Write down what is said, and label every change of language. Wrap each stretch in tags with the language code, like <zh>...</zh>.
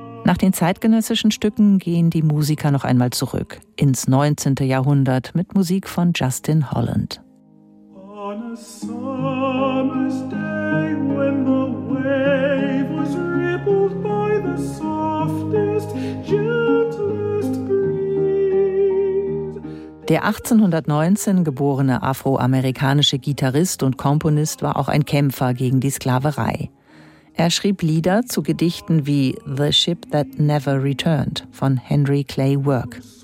<de>Nach den zeitgenössischen Stücken gehen die Musiker noch einmal zurück, ins 19. Jahrhundert mit Musik von Justin Holland.</de> <en>On a summer's day when the wave was rippled by the softest, gentlest breeze.</en> <de>Der 1819 geborene afroamerikanische Gitarrist und Komponist war auch ein Kämpfer gegen die Sklaverei. Er schrieb Lieder zu Gedichten wie The Ship That Never Returned von Henry Clay Work.</de>